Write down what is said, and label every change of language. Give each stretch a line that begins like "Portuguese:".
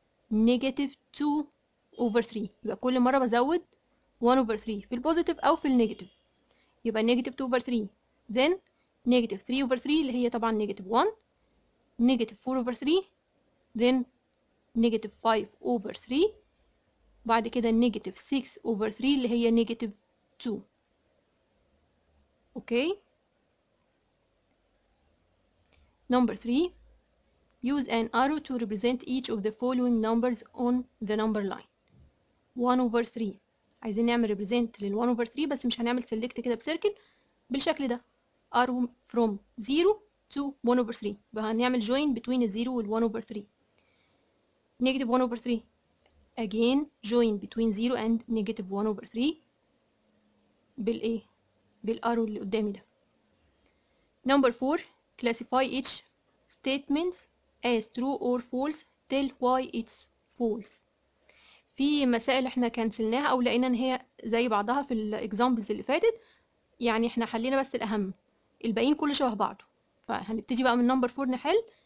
Arabic: نيجاتيف 2 over 3 يبقى كل مرة بزود 1 over 3 في البوزيتيف أو في النيجاتيف يبقى نيجاتيف 2 over 3 then نيجاتيف 3 over 3 اللي هي طبعا نيجاتيف 1 نيجاتيف 4 over 3 then نيجاتيف 5 over 3 بعد كده نيجاتيف 6 over 3 اللي هي نيجاتيف 2 Okay.
English: Number 3. Use an arrow to represent each of the following numbers on the number line. 1 over 3.
Arabic: عايزين نعمل represent لل 1 over 3 بس مش هنعمل select كده بسيركل بالشكل ده.
English: Arrow from 0 to 1 over 3.
Arabic: وهنعمل
English: join between 0 وال 1 over 3. Negative 1 over 3. Again, join between 0 and negative 1 over 3.
Arabic: بالايه؟ بالأرو اللي قدامي ده
English: number 4 classify each statement as true or false tell why it's false
Arabic: في مسائل احنا كنسلناها او لقينا ان هي زي بعضها في الاكزامبلز اللي فاتت يعني احنا حلينا بس الاهم الباقيين كل شبه بعضه فهنبتدي بقى من number 4 نحل